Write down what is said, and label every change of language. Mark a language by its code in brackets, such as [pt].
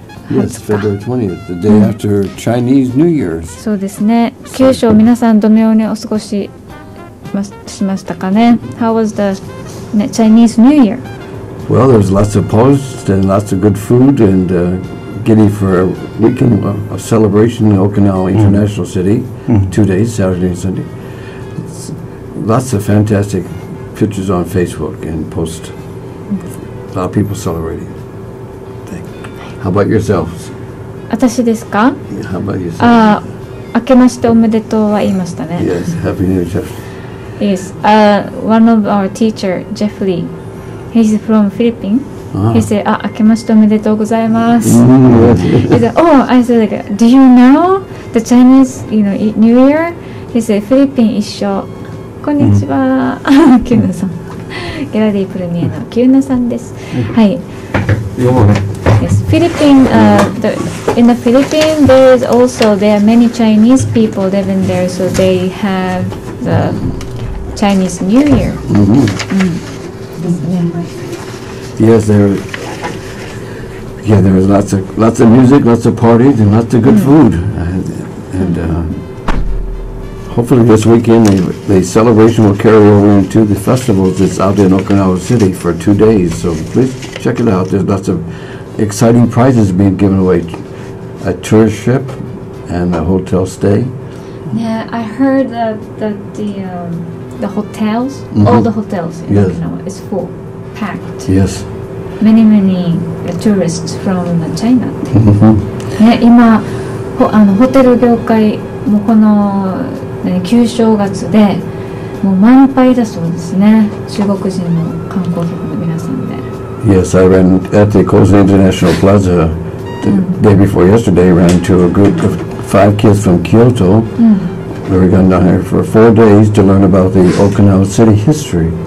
[en] Yes, February 20th, the day after Chinese New Year. [ja] そうですね。九州皆さんどのようにお過ごししましたかね。 [en] How was the Chinese New Year? Well, there's lots of posts and lots of good food and getting for a weekend of celebration in Okinawa International City, 2 days, Saturday and Sunday. Lots of fantastic pictures on Facebook and posts. A lot of people celebrating. How about yourself? [ja] 私ですか? [en] Yeah, how about yourself? [ja] ああ、明けましておめでとうは言いましたね。 [en] Yes, Happy New Year. Yes, one of our teacher, Jeff Lee, he's from Philippines. [ja] He said, ah, 明けましておめでとうございます。 [en] He said, oh, I said, like, do you know the Chinese, you know, New Year? He said, Philippines 一緒。 [ja] こんにちは、キューナさん。ギャラリープルミエのキューナさんです。はい。よもね。 [en] Yes, Philippine, in the Philippines, there is also, there are many Chinese people living there, so they have the Chinese New Year. Yes, there is lots of music, lots of parties, and lots of good food. And hopefully this weekend the celebration will carry over into the festival that's out in Okinawa City for 2 days. So please check it out. There's lots of exciting prizes being given away. A tourist ship and a hotel stay. Yeah, I heard that the hotels, mm-hmm. all the hotels in yes. Okinawa is full, packed. Yes. Many tourists from China. Mm-hmm. [ja] Yeah, 今あのホテル業界もこの旧正月でもう満杯だそうですね。中国人の観光客の皆さんで。 [en] Yes, I ran at the Kozen International Plaza the day before yesterday. Ran into a group of five kids from Kyoto. We were going down here for 4 days to learn about the Okinawa city history.